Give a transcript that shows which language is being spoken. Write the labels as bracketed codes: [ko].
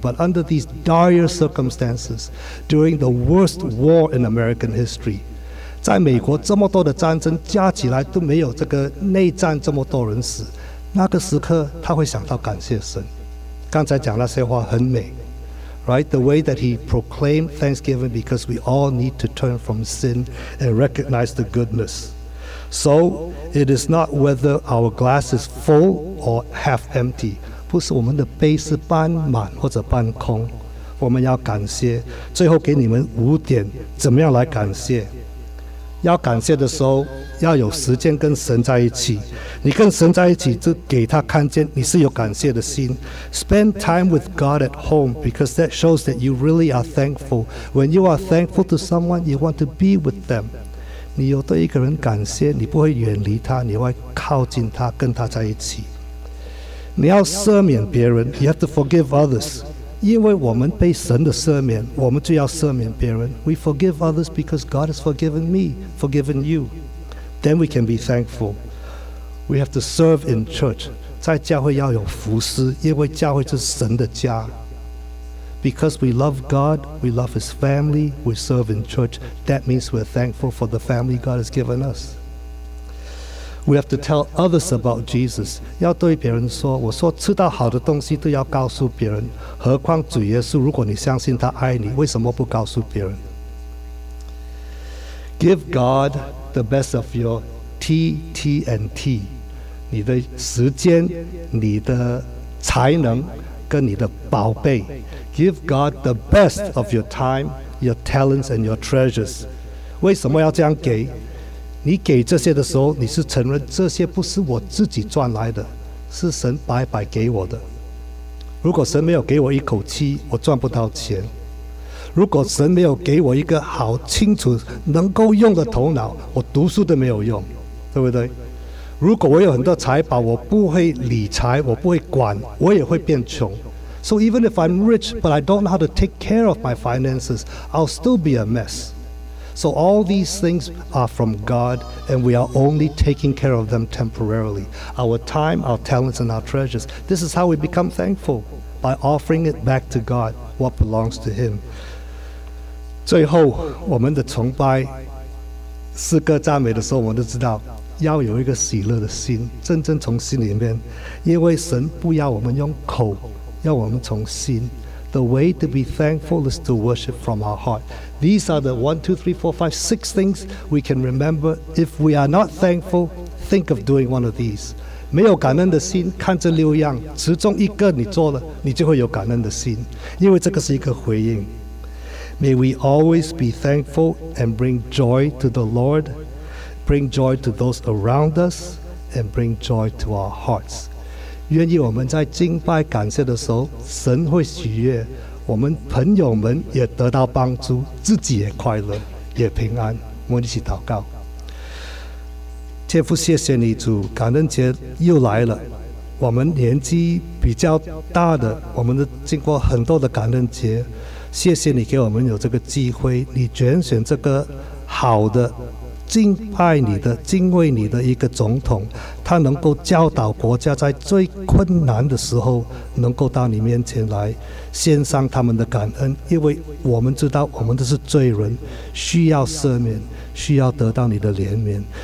[en] But under these dire circumstances, during the worst war in American history， [zh] 在美国这么多的战争加起来都没有这个内战这么多人死，那个时刻他会想到感谢神。刚才讲那些话很美， right? [en] The way that he proclaimed thanksgiving because we all need to turn from sin and recognize the goodness. So it is not whether our glass is full or half empty. [zh] 不是我们的杯是半满或者半空，我们要感谢。最后给你们5点，怎么样来感谢。要感谢的时候要有时间跟神在一起，你跟神在一起就给他看见你是有感谢的心。 [en] Spend time with God at home because that shows that you really are thankful. When you are thankful to someone, you want to be with them. [zh] 你有对一个人感谢，你不会远离他，你会靠近他，跟他在一起。你要赦免别人， [en] you have to forgive others. [zh] 因为我们被神的赦免，我们就要赦免别人。 [en] We forgive others because God has forgiven me, forgiven you. Then we can be thankful. We have to serve in church. [zh] 在教会要有服侍，因为教会是神的家。 [en] Because we love God, we love His family, we serve in church. That means we're thankful for the family God has given us. We have to tell others about Jesus. [zh] 要对别人说，我说吃到好的东西都要告诉别人，何况主耶稣，如果你相信他爱你，为什么不告诉别人？ [en] Give God the best of your TTNT， [zh] 你的时间，你的才能跟你的宝贝。 [en] Give God the best of your time, your talents and your treasures。 [zh] 为什么要这样给？你给这些的时候，你是承认这些不是我自己赚来的，是神白白给我的。如果神没有给我一口气，我赚不到钱。如果神没有给我一个好清楚能够用的头脑，我读书都没有用，对不对？如果我有很多财宝，我不会理财，我不会管，我也会变穷。 [en] So even if I'm rich, but I don't know how to take care of my finances, I'll still be a mess. So all these things are from God, and we are only taking care of them temporarily. Our time, our talents, and our treasures. This is how we become thankful, by offering it back to God, what belongs to Him. [zh] 最后，我们的崇拜、诗歌、赞美的时候，我们都知道要有一个喜乐的心，真正从心里面，因为神不要我们用口，要我们从心。 [en] The way to be thankful is to worship from our heart. These are the 1, 2, 3, 4, 5, 6 things we can remember. If we are not thankful, think of doing one of these. [zh] 没有感恩的心，看这六样，其中一个你做了，你就会有感恩的心，因为这个是一个回应。 [en] May we always be thankful and bring joy to the Lord, bring joy to those around us, and bring joy to our hearts. [zh] 愿意我们在敬拜感谢的时候，神会喜悦，我们朋友们也得到帮助，自己也快乐，也平安。我们一起祷告。天父，谢谢你主，感恩节又来了，我们年纪比较大的，我们都经过很多的感恩节，谢谢你给我们有这个机会，你拣选这个好的敬拜你的、敬畏你的一个总统，他能够教导国家在最困难的时候能够到你面前来献上他们的感恩，因为我们知道我们都是罪人，需要赦免，需要得到你的怜悯。